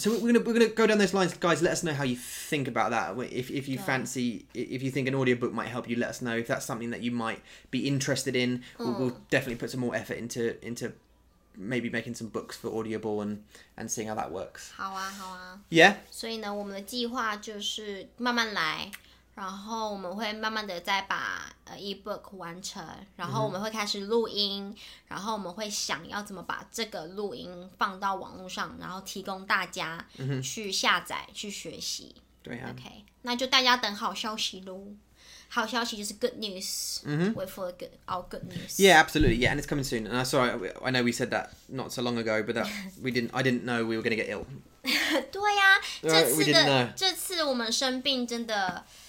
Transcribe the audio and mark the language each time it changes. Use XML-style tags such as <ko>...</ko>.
<en>So we're gonna go down those lines, guys. Let us know how you think about that. If you think an audiobook might help you, let us know. If that's something that you might be interested in, we'll definitely put some more effort into maybe making some books for Audible and seeing how that works.</en> <zh>好啊。</zh> <en>Yeah.</en> <zh>所以呢，我们的计划就是慢慢来，然后我们会慢慢的再把ebook 完成，然后我们会开始录音，然后我们会想要怎么把这个录音放到网络上，然后提供大家去下载去学习。对啊。 OK， 那就大家等好消息喽。好消息就是</zh> <en>good news. Wait for our good news. Yeah, absolutely. Yeah, and it's coming soon. And I know we said that not so long ago, but that I didn't know we were going to get ill.</en> <zh>对呀、啊，这次我们生病真的。</zh>